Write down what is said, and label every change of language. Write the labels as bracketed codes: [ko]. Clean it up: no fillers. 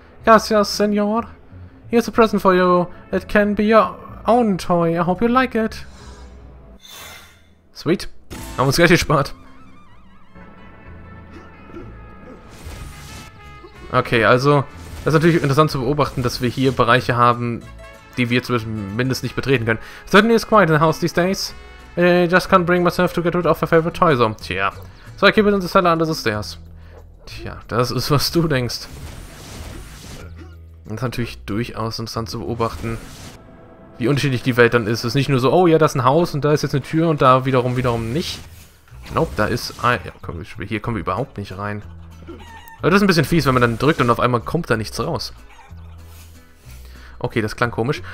[en] Gracias, senor. Here's a present for you. It can be your own toy. I hope you like it. Sweet. [de] Haben uns Geld gespart. Okay, also, das ist natürlich interessant zu beobachten, dass wir hier Bereiche haben, die wir zumindest nicht betreten können. [en] Certainly it's quiet in the house these days. I just can't bring myself to get rid of my favorite toy, so. Tja. So, I keep it in the cellar under the stairs. [de] Tja, das ist, was du denkst. Das ist natürlich durchaus interessant zu beobachten, wie unterschiedlich die Welt dann ist. Es ist nicht nur so, oh ja, da ist ein Haus und da ist jetzt eine Tür und da wiederum nicht. Nope, da ist ein... Ja, komm, hier kommen wir überhaupt nicht rein. Aber das ist ein bisschen fies, wenn man dann drückt und auf einmal kommt da nichts raus. Okay, das klang komisch.